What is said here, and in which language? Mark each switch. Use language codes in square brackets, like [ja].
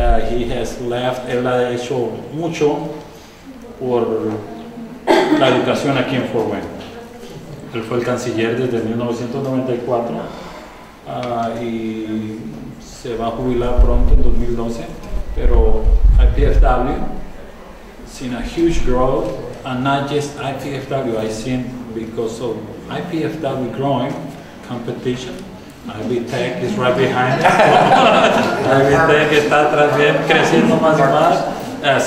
[en] He has left, [es] él ha hecho mucho por la educación aquí en Fort Wayne. Él fue el canciller desde 1994 y se va a jubilar pronto en 2012. [en] Pero IPFW, seen a huge growth, and not just IPFW, I've seen because of IPFW growing, competition. Ivy Tech is right behind us. [es] Ivy Tech está atrás bien, creciendo más y más.